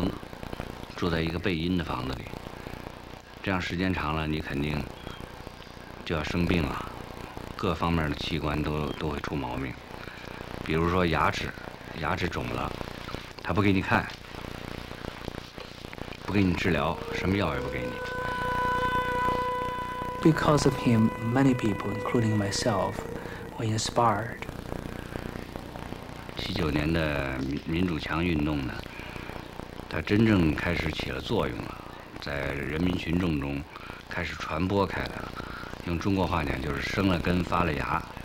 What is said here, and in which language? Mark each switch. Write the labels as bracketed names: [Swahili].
[Chinese] 就是在一个小房间里，一天到晚就在这个房间里待着，而且是长年累月的，而且就是仅仅是这样还不够，他还想一些其他办法来折磨你。他可以一年不让你晒太阳，不放风，住在一个背阴的房子里。这样时间长了，你肯定就要生病了，各方面的器官都会出毛病，比如说牙齿肿了，他不给你看。不给你治疗，什么药也不给你。 [English] Because of him, many people, including myself, were inspired. [Chinese] 79年的民主墙运动呢，它真正开始起了作用了，在人民群众中开始传播开来了。用中国话讲，就是生了根，发了芽。